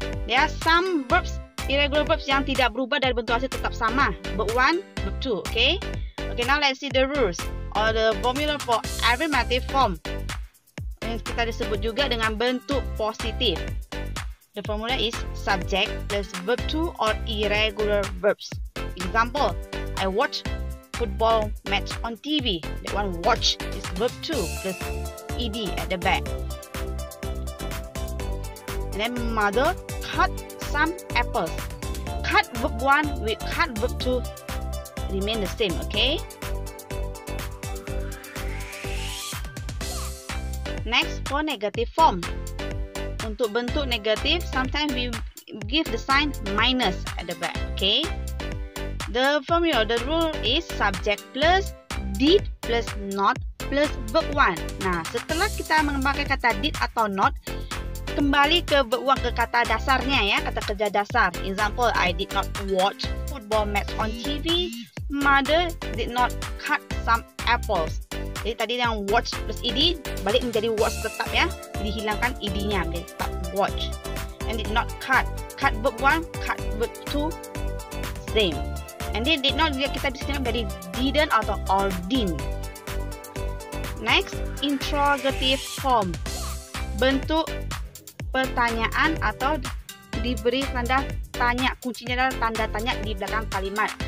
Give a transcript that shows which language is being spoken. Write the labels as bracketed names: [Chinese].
[Indonesian] Ya, [English] some verbs, irregular verbs [Indonesian] yang tidak berubah dari bentuk asli tetap sama. [English] Verb 1, verb 2, okay? Okay, now let's see the rules or the formula for affirmative form. [Indonesian] Yang kita disebut juga dengan bentuk positif. [English] The formula is subject plus verb 2 or irregular verbs. Example, I watch football match on TV. That one watch is verb 2 plus ED at the back. And then mother cut some apples. Cut verb 1 with cut verb 2 remain the same, okay? Next, for negative form. [Indonesian] Untuk bentuk negatif, [English] sometimes we give the sign minus at the back, okay? The formula, the rule is subject plus did plus not plus verb 1. [Indonesian] Nah, setelah kita memakai kata did atau not, kembali ke uang ke kata dasarnya ya, kata kerja dasar. [English] Example, I did not watch football match on TV. Mother did not cut some apples. [Indonesian] Jadi tadi yang watch plus ED balik menjadi watch tetap ya. Dihilangkan ED-nya, jadi tetap watch. [English] And did not cut. Cut verb 1, cut verb 2, same. And then did not, [Indonesian] kita bisa tengok dari [English] didn't atau or didn't. Next, interrogative form. [Indonesian] Bentuk pertanyaan atau diberi tanda tanya, kuncinya adalah tanda tanya di belakang kalimat.